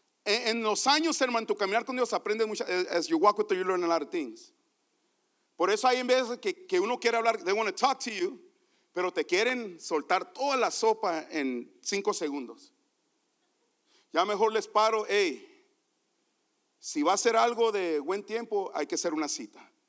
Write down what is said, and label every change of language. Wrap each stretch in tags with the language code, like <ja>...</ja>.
<es>En los años, hermano, tu caminar con Dios aprendes mucho.</es> <en>As you walk with them, you learn a lot of things.</en> <es>Por eso hay en veces que uno quiere hablar,</es> <en>they want to talk to you,</en> <es>pero te quieren soltar toda la sopa en 5 segundos. Ya mejor les paro, hey, si va a ser algo de buen tiempo, hay que hacer una cita.</es>